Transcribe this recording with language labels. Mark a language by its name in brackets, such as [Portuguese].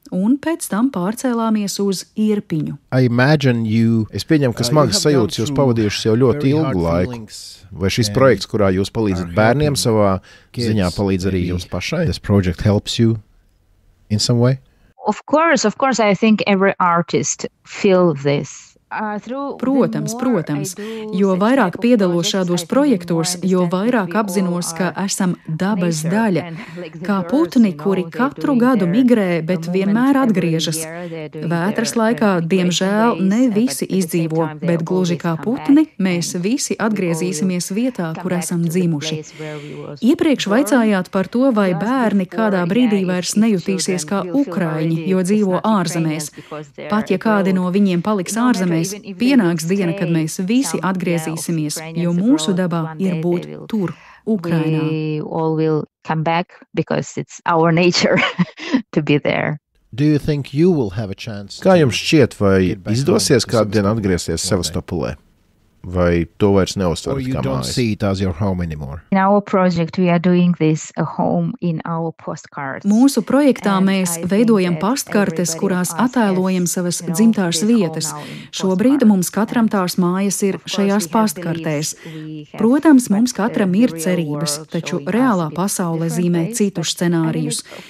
[Latvian] Un pēc tam pārcēlāmies uz Irpiņu. Es pieņemu, ka smagas sajūtas jūs pavadījušas jau ļoti ilgu laiku. Vai šis projekts, kurā jūs palīdzat bērniem savā ziņā, palīdz arī jums pašai? [English] This project helps you in some way? Of course, I think every artist feel this. [Latvian] Protams, jo vairāk piedalos šādos projektos, jo vairāk apzinos, ka esam dabas daļa, kā putni, kuri katru gadu migrē, bet vienmēr atgriežas. Vētras laikā, diemžēl, ne visi izdzīvo, bet gluži kā putni, mēs visi atgriezīsimies vietā, kur esam dzimuši. Iepriekš vaicājāt par to, vai bērni kādā brīdī vairs nejutīsies kā ukraiņi, jo dzīvo ārzemēs. Pat ja kādi no viņiem paliks ārzemēs, mēs pienāks diena, kad mēs visi atgriezīsimies, jo mūsu dabā ir būt tur, Ukrainā. [English] We all will come back because it's our nature to be there. Do you think you will have a chance? [Latvian] Kā jums šķiet, vai izdosies kādu dienu atgriezties Sevastopolē? vai to vairs neuztverat kā mājas? [English] Or you don't see it as your home anymore. In our project we are doing this a home in our postcards. [Latvian] Mūsu projektā mēs veidojam pastkartes, kurās attēlojam savas dzimtās vietas. Šobrīd mums katram tās mājas ir šajās pastkartēs. Protams, mums katram ir cerības, taču reālā pasaule zīmē citus scenārijus.